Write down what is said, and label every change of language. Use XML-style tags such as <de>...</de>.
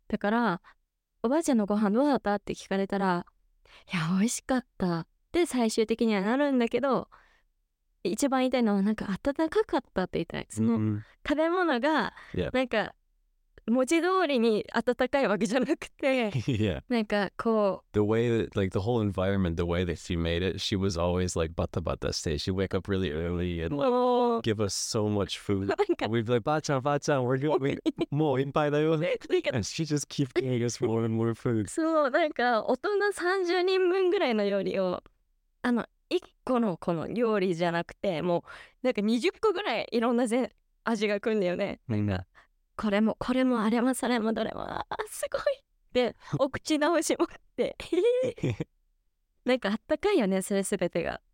<ja>だから、おばあちゃんのご飯どうだったって聞かれたら、いや、美味しかったって最終的にはなるんだけど、一番言いたいのは、なんか温かかったって言いたい。その、</ja> <en>mm-hmm.</en> <ja>食べ物が、</ja> <en>yeah.</en> <ja>なんか、文字通りに温かいわけじゃなくて、</ja> <en>yeah.</en> <ja>なんかこう。</ja> <en>The way that, like, the whole environment, the way that she made it, she was always like,</en> <ja>バタバタして、</ja> <en>she'd wake up really early and like, give us so much food. We'd be like, ばあちゃん、ばあちゃん、we're gonna be more</en> <ja>いっぱいだよ。</ja> <en>And she just keep giving us more and more food.</en> <ja>そう、なんか大人30人分ぐらいの料理を、あの、1個のこの料理じゃなくて、もう、なんか20個ぐらいいろんな味が来るんだよね。みんな。これも、これも、あれも、それも、どれも、すごいで、お口直しもって、なんかあったかいよね、それすべてが。</ja>